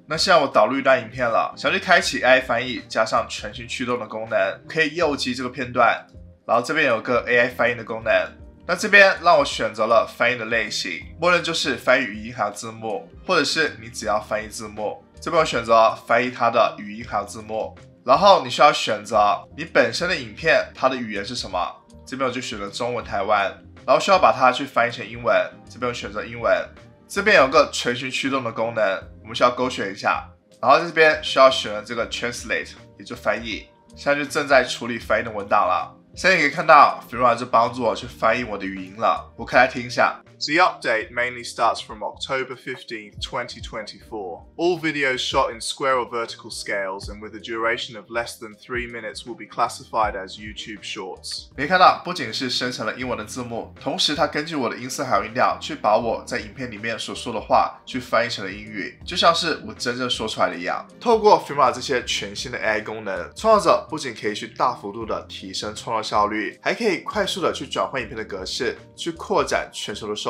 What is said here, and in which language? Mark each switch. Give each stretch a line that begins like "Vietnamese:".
Chinese: 那现在我导入一段影片了，想去开启 AI 翻译加上全新驱动的功能，可以右击这个片段，然后这边有个 AI 翻译的功能，那这边让我选择了翻译的类型，默认就是翻译语音还有字幕，或者是你只要翻译字幕，这边我选择翻译它的语音还有字幕，然后你需要选择你本身的影片它的语言是什么，这边我就选择中文台湾，然后需要把它去翻译成英文，这边我选择英文。这边有个纯型驱动的功能，我们需要勾选一下，然后这边需要选择这个 translate， 也就翻译，现在就正在处理翻译的文档了。现在你可以看到 Filmora 就帮助我去翻译我的语音了，我可以来听一下。
English: The update mainly starts from October 15, 2024. All videos shot in square or vertical scales and with a duration of less than 3 minutes will be classified as YouTube Shorts.
Chinese: 你看到不仅是生成了英文的字幕，同时它根据我的音色还有音调去把我在影片里面所说的话去翻译成了英语，就像是我真正说出来的一样。透过 Filmora 这些全新的 AI 功能，创作者不仅可以去大幅度的提升创作效率，还可以快速的去转换影片的格式，去扩展全球的收入。